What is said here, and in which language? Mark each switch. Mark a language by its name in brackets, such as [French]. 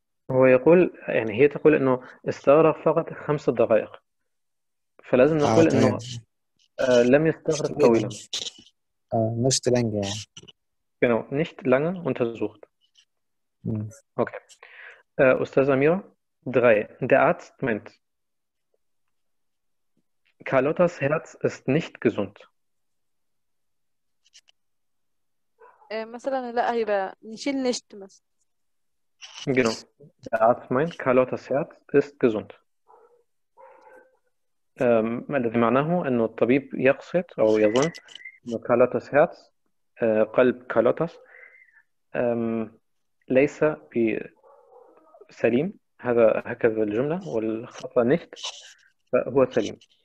[Arabic] هو يقول يعني هي تقول إنه استغرق فقط 5 دقائق. فلازم نقول إنه لم يستغرق طويلا. [German] Nicht lange. Genau, nicht lange untersucht. Okay. Ustaz Amira? Drei. Der Arzt meint, Carlottas Herz ist nicht gesund. Genau. Der Arzt meint, Carlottas Herz ist gesund. [Arabic] الذي معناه أنه الطبيب يقصد أو يظن أن كالوتس هيرتز قلب كالوتس ليس بسليم هذا هكذا الجملة والخطأ نيشت فهو سليم.